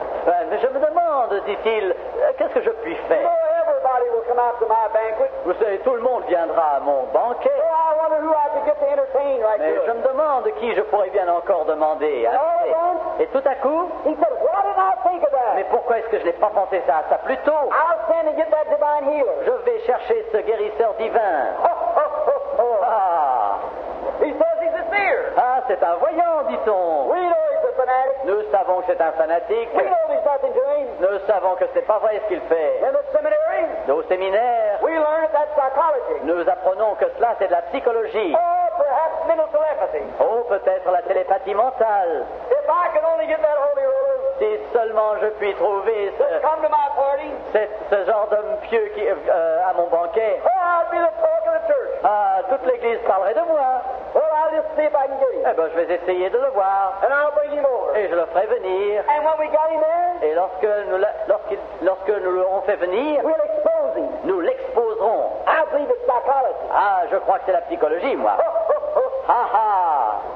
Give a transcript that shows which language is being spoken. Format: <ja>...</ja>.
<fr>Mais je me demande, dit-il, qu'est-ce que je puis faire?</fr> <en>Well, everybody will come out to my banquet.</en> <fr>Vous savez, tout le monde viendra à mon banquet.</fr> <en>Well, I wonder who I could get to entertain right</en> <fr>Mais</fr> <en>here.</en> <fr>Je me demande qui je pourrais bien encore demander.</fr> <en>Hein? Then,</en> <fr>et tout à coup,</fr> <en>he said, why did I think of that?</en> <fr>Mais pourquoi est-ce que je n'ai pas pensé à ça plus tôt?</fr> <en>I'll send and get that divine healer.</en> <fr>Je vais chercher ce guérisseur divin.</fr> <en>He says he's a seer.</en> <fr>Ah, c'est un voyant, dit-on.</fr> <en>We know he's a fanatic.</en> <fr>Nous savons que c'est un fanatique.</fr> <en>We know there's nothing to him.</en> <fr>Nous savons que c'est pas vrai ce qu'il fait.</fr> <en>In the seminary.</en> <fr>Nos séminaires.</fr> <en>We learn that psychology.</en> <fr>Nous apprenons que cela c'est de la psychologie.</fr> <en>Oh, perhaps mental telepathy.</en> <fr>Oh, peut-être la télépathie mentale.</fr> <en>If I can only get that holy rose.</en> <fr>Si seulement je puis trouver</fr> <en>come to my party.</en> <fr>ce genre d'homme pieux qui à mon banquet.</fr> <en>Well, I'll be the talk of the church.</en> <fr>Toute l'église parlerait de moi.</fr> <en>Well, I'll just see if I can get him.</en> <fr>Eh ben, je vais essayer de le voir.</fr> <en>And I'll bring him over.</en> <fr>Et je le ferai venir.</fr> <en>And when we got him in,</en> <fr>et lorsque nous l'aurons fait venir,</fr> <en>we'll expose him.</en> <fr>Nous l'exposerons.</fr> <en>I believe it's psychology.</en> <fr>Ah, je crois que c'est la psychologie, moi. Ha ha.</fr>